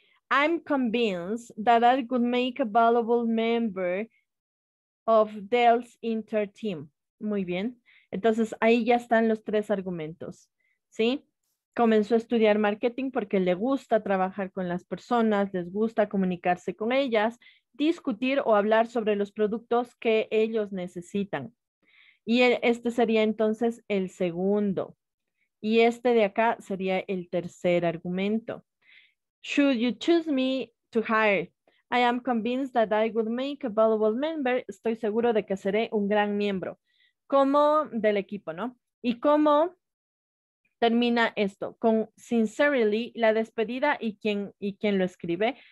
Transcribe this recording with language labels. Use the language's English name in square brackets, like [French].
[English] I'm convinced that I could make a valuable member of Dell's inter team. [Spanish] Muy bien. Entonces ahí ya están los tres argumentos. ¿Sí? Comenzó a estudiar marketing porque le gusta trabajar con las personas, les gusta comunicarse con ellas, discutir o hablar sobre los productos que ellos necesitan. Y este sería entonces el segundo. Y este de acá sería el tercer argumento. [English] Should you choose me to hire? I am convinced that I would make a valuable member. [Spanish] Estoy seguro de que seré un gran miembro. Como del equipo, ¿no? Y cómo termina esto. Con sincerely, la despedida y quién lo escribe.